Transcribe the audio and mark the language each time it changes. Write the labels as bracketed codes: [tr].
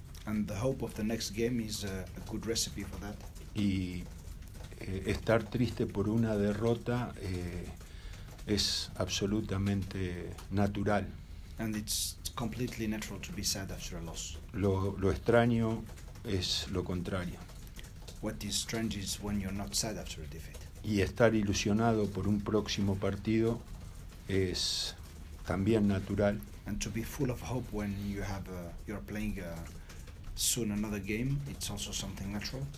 [en] And the hope of the next game is a good recipe for that. [es] Y estar triste por una derrota es absolutamente natural. [en] And it's completely natural to be sad after a loss. [es] Lo extraño es lo contrario. [en] What is strange is when you're not sad after a defeat. [es] Y estar ilusionado por un próximo partido es también natural. [en] And to be full of hope when you have you're playing soon another game, it's also something natural.